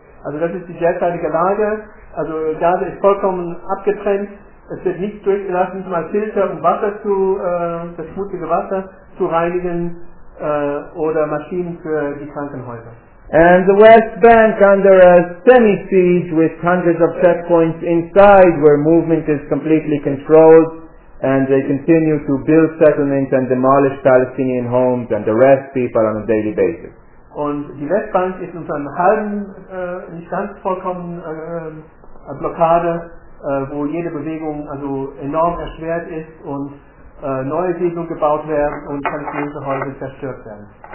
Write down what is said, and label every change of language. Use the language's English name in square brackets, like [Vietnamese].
[German] Also das ist die derzeitige Lage. Also Gaza ist vollkommen abgetrennt. Es wird nicht durchgelassen, mal Filter und Wasser zu, das schmutzige Wasser zu reinigen oder Maschinen für die Krankenhäuser. [English] And the West Bank under a semi-siege with hundreds of checkpoints inside where movement is completely controlled and they continue to build settlements and demolish Palestinian homes and arrest people on a daily basis. [German] Und die Westbank ist unter einem halben, nicht ganz vollkommen Blockade, wo jede Bewegung also enorm erschwert ist und neue Siedlungen gebaut werden und palästinensische Häuser zerstört werden.